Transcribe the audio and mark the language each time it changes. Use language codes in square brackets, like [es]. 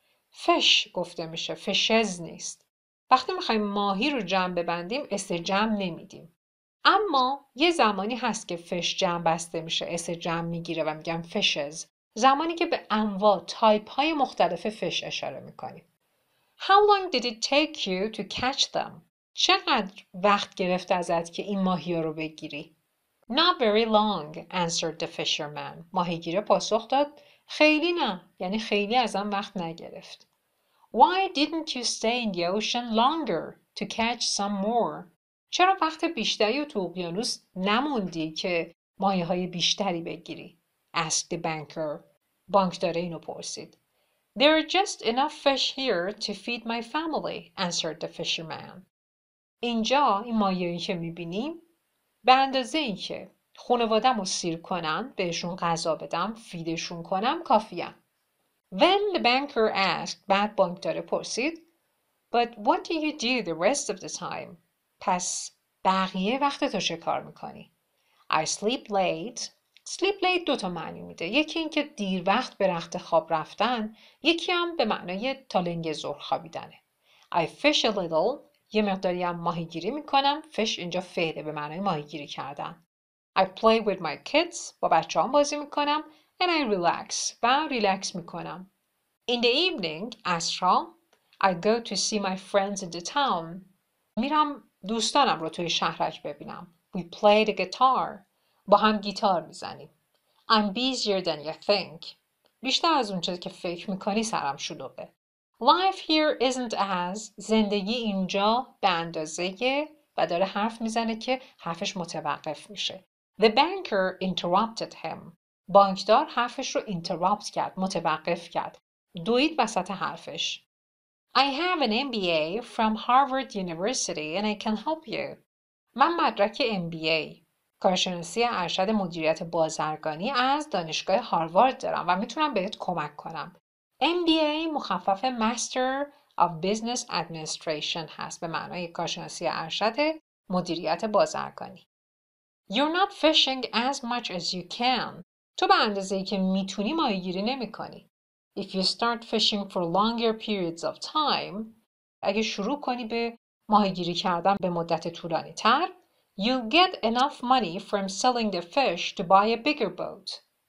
[fa] Fish گفته میشه، fishes نیست. وقتی میخواییم ماهی رو جمع ببندیم، اس جمع نمیدیم. اما یه زمانی هست که fish جمع بسته میشه، اس جمع میگیره و میگم fishes. زمانی که به انواع تایپ های مختلف fish اشاره میکنیم. [en] How long did it take you to catch them? [fa] چقدر وقت گرفت ازت که این ماهی رو بگیری؟ [en] Not very long, answered the fisherman. [fa] ماهیگیر پاسخ داد، خیلی نه، یعنی خیلی ازم وقت نگرفت. [en] Why didn't you stay in the ocean longer to catch some more? [fa] چرا وقت بیشتری تو اقیانوس نموندی که ماهی‌های بیشتری بگیری؟ [en] Asked the banker. [fa] بانکدار اینو پرسید. [en] There are just enough fish here to feed my family, answered the fisherman. [fa] اینجا این ماهی‌هایی که می‌بینیم به اندازه این که خانواده‌مو سیر کنن، بهشون غذا بدم، فیدشون کنم، کافیه. [en] When the banker asked, [fa] بعد بانکدار پرسید, [en] But what do you do the rest of the time? [fa] پس بقیه وقت تو چه کار میکنی؟ [en] I sleep late. [fa] Sleep late دوتا معنی میده. یکی این که دیر وقت به رخت خواب رفتن، یکی هم به معنی تالنگ زور خوابیدنه. [en] I fish a little. [fa] یه مقداری هم ماهیگیری میکنم. Fish اینجا فعله به معنی ماهیگیری کردن. [en] I play with my kids. [fa] با بچه هم بازی میکنم. [en] And I relax. [fa] و ریلکس میکنم. [en] In the evening, عصرها, I go to see my friends in the town. [fa] میرم دوستانم رو توی شهرک ببینم. [en] We play the guitar. [fa] با هم گیتار میزنیم. [en] I'm busier than you think. [fa] بیشتر از اون چیزی که فکر میکنی سرم شلوغه. [en] Life here isn't as [fa] زندگی اینجا به اندازه یه و داره حرف میزنه که حرفش متوقف میشه. [en] The banker interrupted him. [fa] بانکدار حرفش رو اینترابت کرد، متوقف کرد، دوید وسط حرفش. [en] I have an MBA from Harvard University and I can help you. [fa] من مدرک MBA، کارشناسی ارشد مدیریت بازرگانی از دانشگاه هاروارد دارم و میتونم بهت کمک کنم. MBA مخفف Master of Business Administration هست، به معنای کارشناسی ارشد مدیریت بازرگانی. [en] You're not fishing as much as you can. [fa] تو به اندازه‌ای که میتونی ماهیگیری نمی‌کنی. [en] If you start fishing for longer periods of time، [fa] اگه شروع کنی به ماهیگیری کردن به مدت طولانی‌تر، [en] you'll get enough money from selling the fish to buy a bigger boat.